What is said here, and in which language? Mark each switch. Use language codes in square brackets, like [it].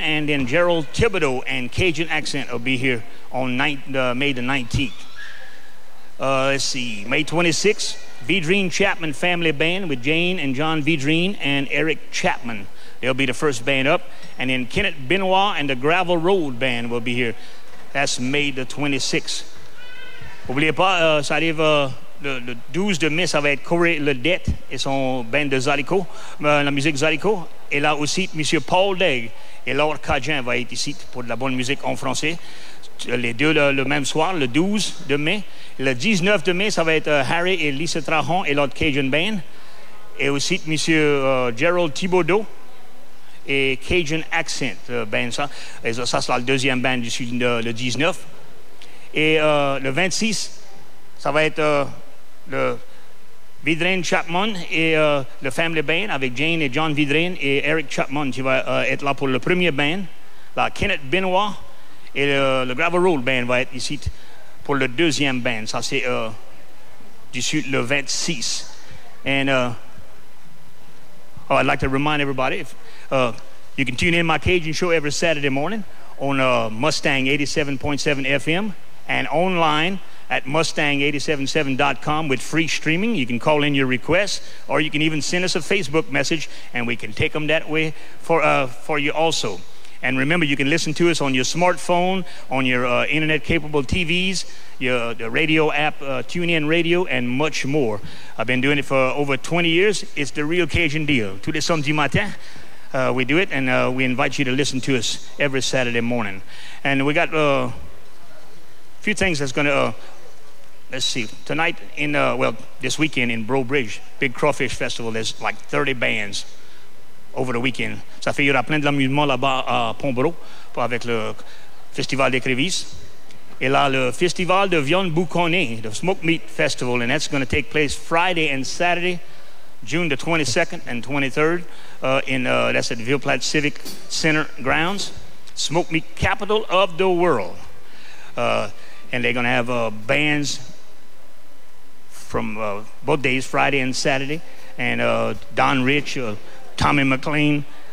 [en] And then Gerald Thibodeau and Cajun Accent will be here on May the 19th. Let's see, May 26th. Vedrine Chapman Family Band with Jane and John Vedrine and Eric Chapman. They'll be the first band up. And then Kenneth Benoit and the Gravel Road Band will be here. That's May the 26th. [fr] N'oubliez pas, ça arrive le 12 de mai, ça va être Corey Ledette et son band de Zydeco, la musique Zydeco. Et là aussi, M. Paul Daigle et Laure Cajun va être ici pour de la bonne musique en français. Les deux le même soir, le 12 de mai. Le 19 de mai, ça va être Harry et Lisa Trahan et l'autre Cajun Band. Et aussi, M. Gerald Thibodeau et Cajun Accent Band. Ça sera le deuxième band du sud, le 19. Et le 26, ça va être le Vedrine Chapman et le Family Band avec Jane et John Vedrine et Eric Chapman qui va être là pour le premier band. La Kenneth Benoit et le Gravel Road Band va être ici pour le deuxième band. Ça, c'est du sud le 26. [en] And I'd like to remind everybody, if you can tune in my Cajun show every Saturday morning on Mustang 87.7 FM and online at Mustang877.com with free streaming. You can call in your requests, or you can even send us a Facebook message, and we can take them that way for you also. And remember, you can listen to us on your smartphone, on your internet-capable TVs, the radio app, TuneIn Radio, and much more. I've been doing it for over 20 years. It's the real Cajun deal. [fr] Tous les samedis matin, [en] we do it, and we invite you to listen to us every Saturday morning. And we got a few things that's going to, let's see, tonight this weekend in Breaux Bridge, Big Crawfish Festival, there's like 30 bands. Over the weekend. [fr] Ça fait qu'il y aura plein d'amusement là-bas à Pont-Breau avec le Festival des Crevices. Et là, le Festival de Viande Bouconnée, [en] the Smoke Meat Festival, and that's going to take place Friday and Saturday, June the 22nd and 23rd, that's at Ville Platte Civic Center Grounds, Smoke Meat Capital of the World. And they're going to have bands from both days, Friday and Saturday, and Don Rich, Tommy McLean,